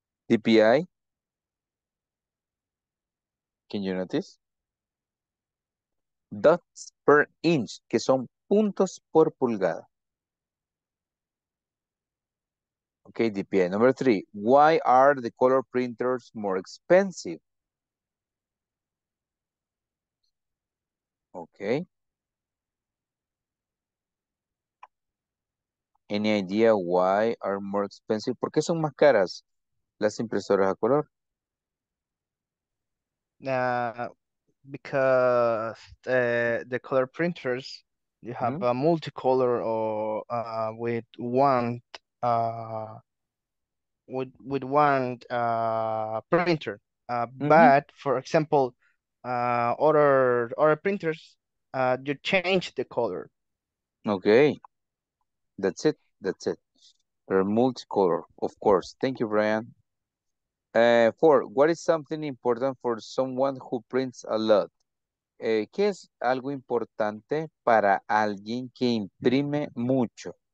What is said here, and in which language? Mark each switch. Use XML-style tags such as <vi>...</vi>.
<en>DPI. Can you notice? Dots per inch,</en> <es>que son puntos por pulgada.</es> <en>Okay, DPI. Number three, why are the color printers more expensive? Okay. Any idea why are more expensive?</en> <es>¿Por qué son más caras las impresoras a color?</es> <en>Because the color printers, you have a multicolor or with one printer. But for example, other printers, you change the color. Okay, that's it. They're multicolor, of course. Thank you, Brian. Four, what is something important for someone who prints a lot?</en> <es>¿Qué es algo importante para alguien que imprime mucho?</es>